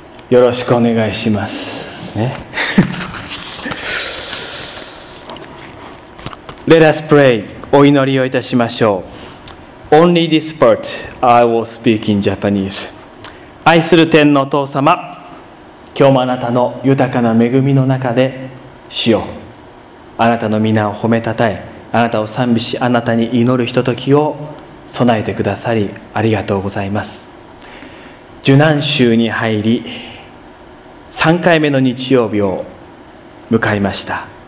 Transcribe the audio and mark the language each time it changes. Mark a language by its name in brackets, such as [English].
[Japanese] よろしくお願いします。ね。 [English] Let us pray. [Japanese] お祈りをいたしましょう。 [English] Only this part I will speak in Japanese. [Japanese] 愛する天のお父様、今日もあなたの豊かな恵みの中で主よ、あなたの皆を褒めたたえ、あなたを賛美し、あなたに祈るひとときを備えてくださりありがとうございます。受難週に入り3回目の日曜日を迎えました。